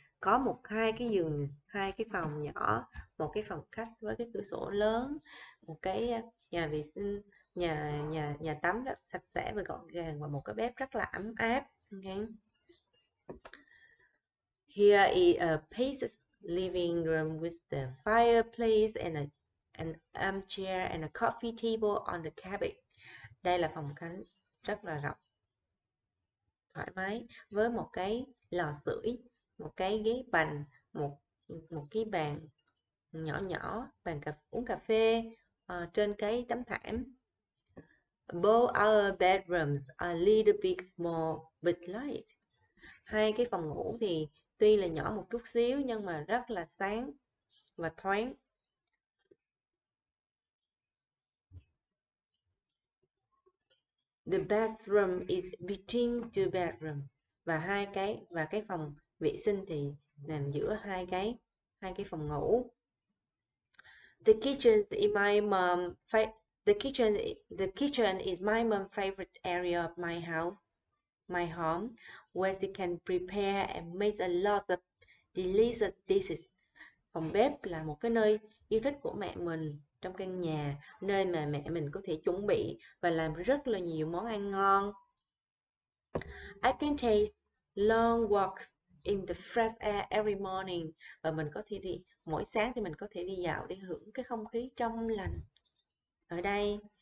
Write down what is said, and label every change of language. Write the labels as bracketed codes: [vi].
[vi] Có một hai cái giường, hai cái phòng nhỏ, một cái phòng khách với cái cửa sổ lớn, một cái nhà vệ sinh, nhà tắm rất sạch sẽ và gọn gàng và một cái bếp rất là ấm áp. [en] Okay. Here is a peaceful living room with the fireplace and an armchair and a coffee table on the cabinet. [vi] Đây là phòng khách rất là rộng, thoải mái với một cái lò sưởi, một cái ghế bành, một cái bàn nhỏ nhỏ, bàn uống cà phê trên cái tấm thảm. [en] Both our bedrooms are a little bit more bit light. [vi] Hai cái phòng ngủ thì tuy là nhỏ một chút xíu nhưng mà rất là sáng và thoáng. [en] The bathroom is between two bedrooms. [vi] Và hai cái và cái phòng vệ sinh thì nằm giữa hai cái phòng ngủ. [en] The kitchen is my mom's favorite area of my home, where she can prepare and make a lot of delicious dishes. [vi] Phòng bếp là một cái nơi yêu thích của mẹ mình trong căn nhà, nơi mà mẹ mình có thể chuẩn bị và làm rất là nhiều món ăn ngon. [en] I can take long walks in the fresh air every morning. [vi] Và mình có thể đi, mỗi sáng thì mình có thể đi dạo để hưởng cái không khí trong lành ở đây.